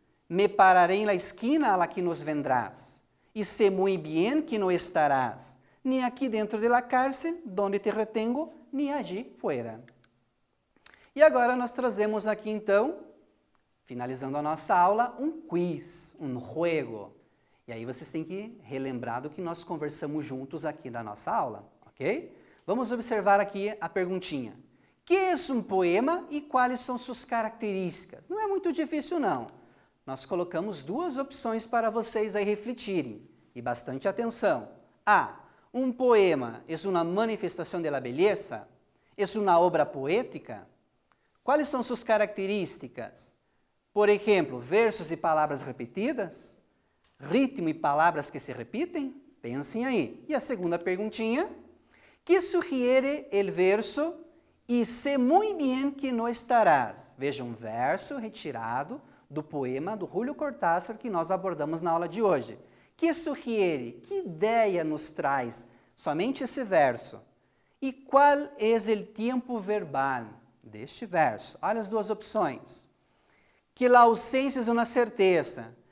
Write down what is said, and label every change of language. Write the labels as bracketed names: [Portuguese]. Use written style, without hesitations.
[Spanish] Me pararé en la esquina a la que nos vendrás. E sé muy bien que no estarás, ni aquí dentro de la cárcel, donde te retengo, ni allí fuera. [Portuguese] E agora nós trazemos aqui, então, Finalizando a nossa aula, um quiz, um juego. E aí vocês têm que relembrar do que nós conversamos juntos aqui na nossa aula, ok? Vamos observar aqui a perguntinha. Que é um poema e quais são suas características? Não é muito difícil, não. Nós colocamos duas opções para vocês aí refletirem. E bastante atenção. A. Um poema é uma manifestação da beleza? É uma obra poética? Quais são suas características? Por exemplo, versos e palavras repetidas? Ritmo e palavras que se repitem? Pensem aí. E a segunda perguntinha. Que sugere o verso? [Spanish] E sé muy bien que no estarás. [Portuguese] Veja um verso retirado do poema do Júlio Cortázar que nós abordamos na aula de hoje. [Spanish] Que sugiere? [Portuguese] Que ideia nos traz somente esse verso? E qual é o tempo verbal deste verso? Olha as duas opções. Que la ausência é uma certeza.